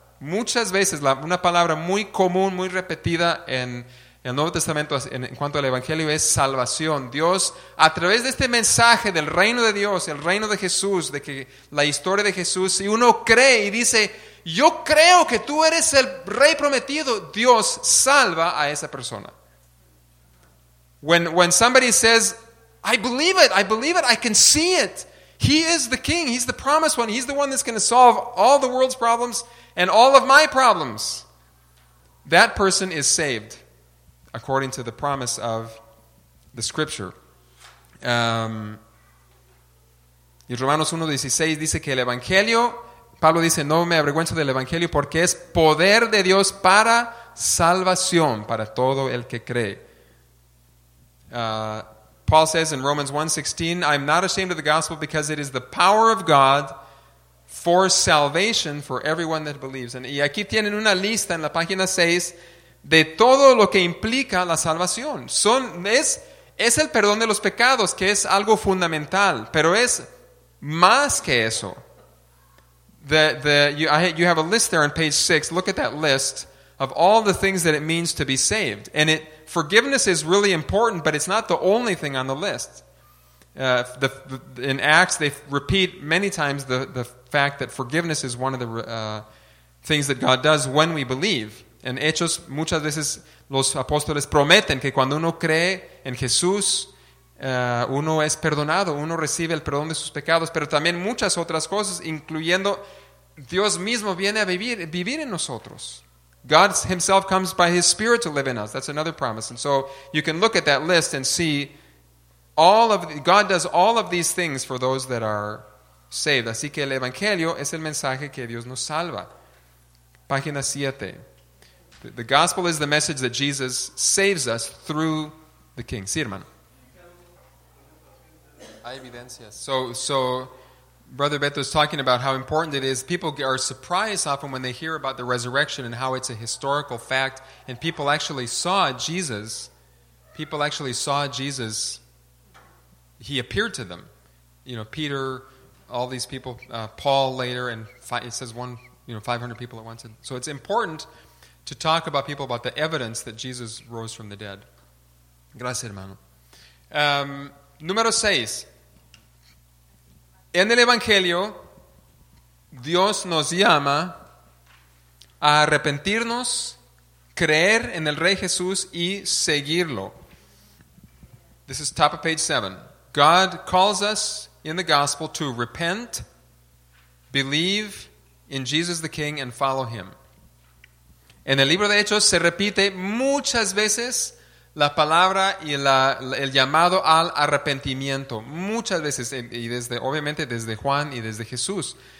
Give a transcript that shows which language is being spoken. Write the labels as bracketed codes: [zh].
[es] Muchas veces, una palabra muy común, muy repetida en el Nuevo Testamento en cuanto al Evangelio es salvación. Dios, a través de este mensaje del reino de Dios, el reino de Jesús, de que la historia de Jesús, si uno cree y dice, yo creo que tú eres el rey prometido, Dios salva a esa persona. [en] When somebody says, I believe it, I can see it. He is the king, he's the promised one, he's the one that's going to solve all the world's problems and all of my problems. That person is saved, according to the promise of the Scripture. [es] Y Romanos 1:16 dice que el Evangelio, Pablo dice, no me avergüenzo del Evangelio porque es poder de Dios para salvación, para todo el que cree. [en] Paul says in Romans 1:16, I'm not ashamed of the gospel because it is the power of God for salvation for everyone that believes. [es] Y aquí tienen una lista en la página 6 de todo lo que implica la salvación. Es el perdón de los pecados, que es algo fundamental, pero es más que eso. [en] You have a list there on page 6. Look at that list of all the things that it means to be saved. And forgiveness is really important, but it's not the only thing on the list. In Acts, they repeat many times the fact that forgiveness is one of the things that God does when we believe. [es] En Hechos, muchas veces los apóstoles prometen que cuando uno cree en Jesús, uno es perdonado, uno recibe el perdón de sus pecados, pero también muchas otras cosas, incluyendo Dios mismo viene a vivir en nosotros. [en] God himself comes by his Spirit to live in us. That's another promise. And so you can look at that list and see God does all of these things for those that are saved. [es] Así que el Evangelio es el mensaje que Dios nos salva. Página 7. [en] The gospel is the message that Jesus saves us through the King. [es] Sí, hermano. Hay evidencias. [en] So, Brother Beto is talking about how important it is. People are surprised often when they hear about the resurrection and how it's a historical fact. And people actually saw Jesus. People actually saw Jesus. He appeared to them. You know, Peter, all these people, Paul later, and it says 500 people at once. So it's important to talk about people about the evidence that Jesus rose from the dead. [es] Gracias, hermano. Número 6. En el Evangelio, Dios nos llama a arrepentirnos, creer en el Rey Jesús y seguirlo. [en] This is top of page 7. God calls us in the gospel to repent, believe in Jesus the King, and follow him. [es] En el libro de Hechos se repite muchas veces la palabra y el llamado al arrepentimiento. Muchas veces, y desde obviamente desde Juan y desde Jesús.